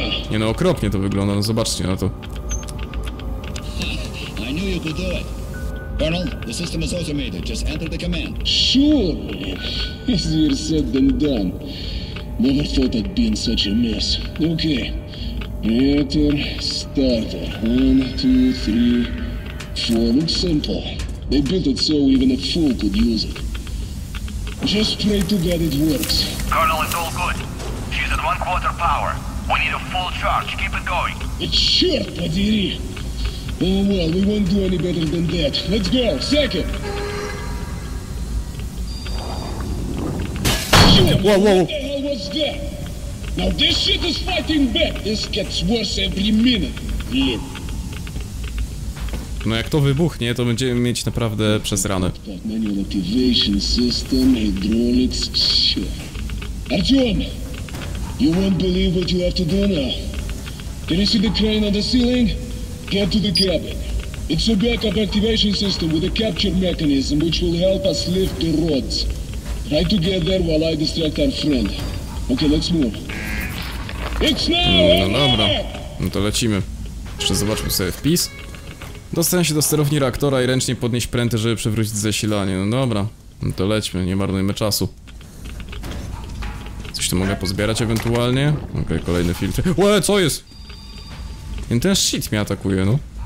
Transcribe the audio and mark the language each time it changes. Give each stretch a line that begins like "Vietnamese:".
Polish: nie no, okropnie to wygląda, no zobaczcie na to.
English: Colonel, the system is automated. Just enter the command. Sure. Easier said than done. Never thought I'd be in such a mess. Okay. Reactor starter. 1, 2, 3, 4. Looks simple. They built it so even a fool could use it. Just pray to God it works. Colonel, it's all good. She's at 1/4 power. We need a full charge. Keep it going. It's short, Padiri. Oh well, we won't do any better than that. Let's go, second! Whoa, whoa, whoa! What the hell was that? Now this shit is fighting back! This gets worse every minute. Look.
Polish: No jak to wybuchnie, to będziemy mieć naprawdę przesrane.
English: That manual activation system, hydraulics, sure. Artyom! You won't believe what you have to do now. Can you see the crane on the ceiling? Get to the cabin. It's a backup activation system with a capture mechanism which will help us lift the rods. Try to get there while I distract our friend. Okay, let's move. It's now!
Polish: No dobra. No to lecimy. Jeszcze zobaczmy sobie wpis. Dostanę się do sterowni reaktora i ręcznie podnieść prętę, żeby przywrócić zasilanie. No dobra. No to lećmy, nie marnujmy czasu. Coś tu mogę pozbierać ewentualnie. Okej, kolejny filtr. Łe, co jest? I ten shit mnie atakuje, no.